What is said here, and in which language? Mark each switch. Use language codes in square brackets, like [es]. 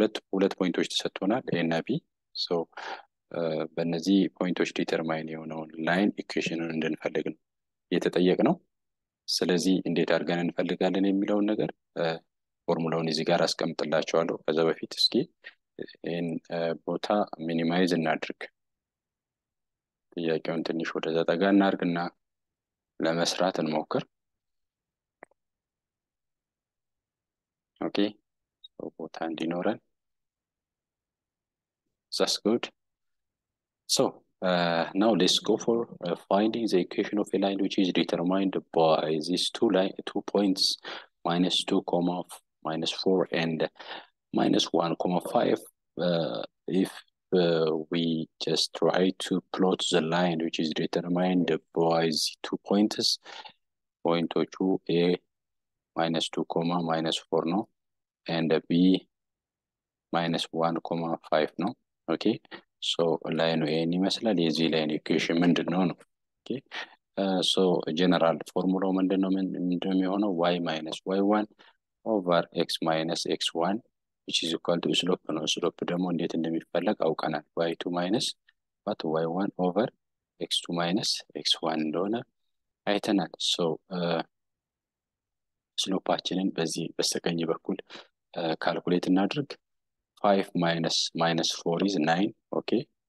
[en] Bullet point which is at one at [am] ሶ በእነዚህ ፖይንቶች ዲተርማይን የሆነውን ላይን ኢኩዌሽንን እንድንፈልግ ነው እየተጠየቅ ነው። ስለዚህ እንዴት አድርገን እንፈልጋለን የሚለውን ነገር ፎርሙላውን እዚህ ጋር አስቀምጥላቸዋለሁ። ከዛ በፊት እስኪ ይህን ቦታ ሚኒማይዝ እናድርግ፣ ጥያቄውን ትንሽ ወደዛ ጠጋ እናድርግና ለመስራት እንሞክር። ኦኬ ቦታ እንዲኖረን [en] That's good. So now let's go for finding the equation of a line which is determined by these two points, minus 2 comma minus 4 and minus 1 comma 5. If we just try to plot the line which is determined by these two points, point 2 a minus 2 comma minus 4 no, and b minus 1 comma 5 no. [am] ኦኬ ሶ ላይኑ ይሄን ይመስላል። የዚህ ላይን ኢኩዌሽን ምንድን ነው ነው? ኦኬ ሶ ጀነራል ፎርሙላው ምንድን ነው? ምንድነው የሚሆነው? [en] ዋይ ማይነስ ዋይ ዋን ኦቨር ኤክስ ማይነስ ኤክስ ዋን ዊች ኢዝ ኢኳል ቱ ስሎፕ [am] ነው። ስሎፕ ደግሞ እንዴት እንደሚፈለግ አውቀናል። ዋይ ቱ ማይነስ ባት ዋይ ዋን ኦቨር ኤክስ ቱ ማይነስ ኤክስ ዋን እንደሆነ አይተናል። ሶ ስሎፓችንን በዚህ በስተቀኝ በኩል ካልኩሌት እናድርግ። [en] 5 minus minus 4 is 9, okay?